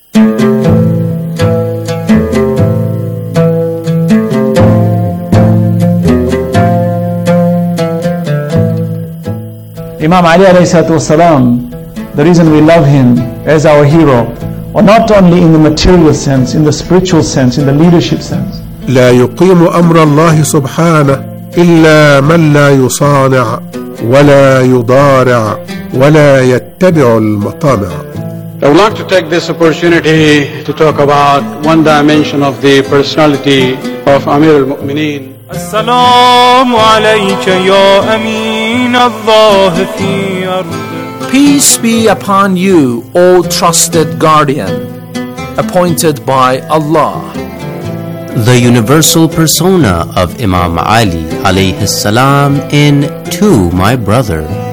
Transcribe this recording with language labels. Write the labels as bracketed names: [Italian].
[English] Imam Ali alayhi salam, the reason we love him as our hero, or not only in the material sense, in the spiritual sense, in the leadership sense. [Arabic] لا يقيم أمر الله سبحانه إلا من لا يصانع ولا يضارع ولا يتبع المطامع. [English] I would like to take this opportunity to talk about one dimension of the personality of Amir al-Mu'mineen. [Arabic] السلام عليك يا أمين الله في أرض. [English] Peace be upon you, O trusted guardian, appointed by Allah. The universal persona of Imam Ali alayhi salam in To My Brother.